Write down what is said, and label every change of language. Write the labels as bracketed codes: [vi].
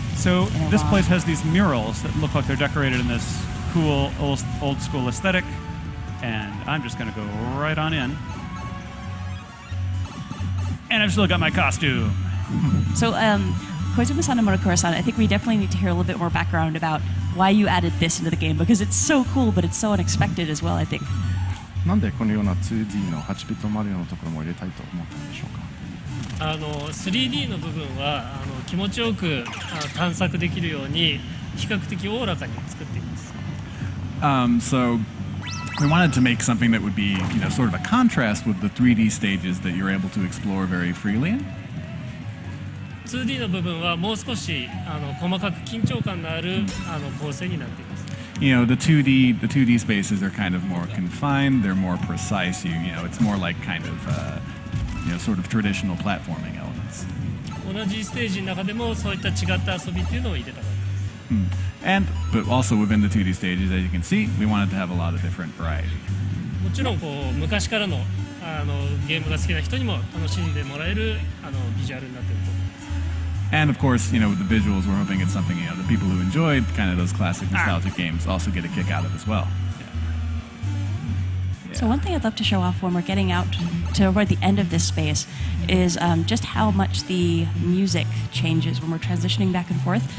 [en] So this place has these murals that look like they're decorated in this cool old school aesthetic, and I'm just going to go right on in. And I've still got my costume. So Koizumi Sanamonokura-san, I think we definitely need to hear a little bit more background about why you added this into the game, because it's so cool, but it's so unexpected as well, I think. [ja] なんでこのような 2D の 8-bit マリオのところも入れたいと思ったんでしょうか? 3D の部分は気持ちよく探索できるように比較的大らかに作っています。 [en] So we wanted to make something that would be, you know, sort of a contrast with the 3D stages that you're able to explore very freely in. [ja] 2D の部分はもう少し細かく緊張感のある構成になっています。 [en] You know, the 2D spaces are kind of more confined, they're more precise, you know, it's more like kind of, you know, sort of traditional platforming elements. [ja] 同じステージの中でもそういった違った遊びっていうのを入れたかったです。 [en] And, but also within the 2D stages, as you can see, we wanted to have a lot of different variety. [ja] もちろんこう昔からのゲームが好きな人にも楽しんでもらえるビジュアルになっていると思います。 [en] And of course, you know, with the visuals, we're hoping it's something, you know, the people who enjoyed kind of those classic nostalgic games also get a kick out of as well. Yeah. So one thing I'd love to show off when we're getting out to toward the end of this space is just how much the music changes when we're transitioning back and forth.